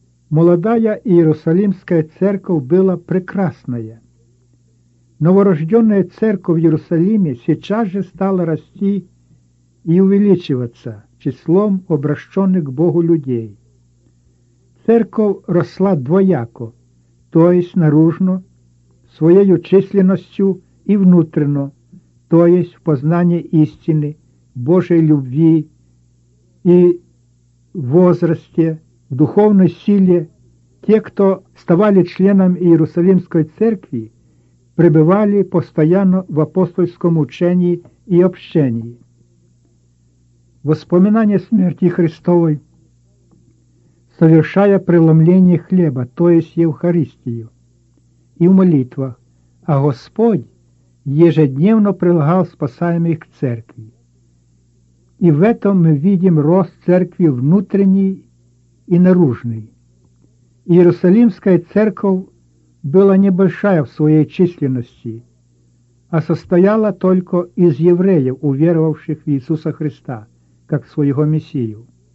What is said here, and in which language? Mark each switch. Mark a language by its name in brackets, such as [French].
[Russian] Молодая Иерусалимская церковь была прекрасная. Новорожденная церковь в Иерусалиме сейчас же стала расти и увеличиваться числом обращенных к Богу людей. Церковь росла двояко, то есть наружно, [Ukrainian] своєю численностью і внутрішньо, то есть в познанні істини, Божої любви і возрасті, в духовній силі. Ті, хто ставали членами Єрусалимської церкви, перебували постійно в апостольському ученні і общенні. Воспоминання смерті Христової, [Russian] совершая преломлення хлеба, то есть Євхаристію, и в молитвах, а Господь ежедневно прилагал спасаемых к церкви. И в этом мы видим рост церкви внутренней и наружной. Иерусалимская церковь была небольшая в своей численности, а состояла только из евреев, уверовавших в Иисуса Христа, как своего Мессию.